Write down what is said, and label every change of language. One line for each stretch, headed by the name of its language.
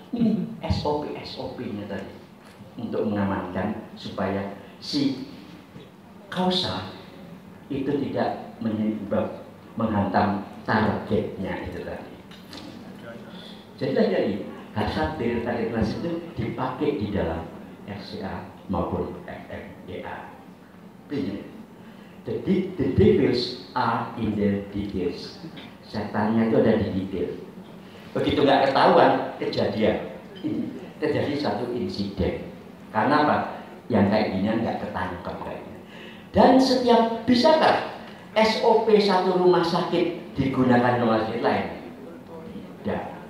Indonesian: Ini SOP-SOP-nya tadi untuk mengamankan supaya si kausa itu tidak menyebab menghantam targetnya itu tadi. Jadi lagi-lagi, hasrat dari target nasib itu dipakai di dalam FCA maupun FMEA.
English: The devils are in the details.
Indonesian: Setannya itu ada di detail. Begitu nggak ketahuan kejadian, terjadi satu insiden. Karena apa? Yang kayak gini nggak ketangkep kayaknya. Dan setiap bisakah SOP satu rumah sakit digunakan rumah sakit lain? Tidak.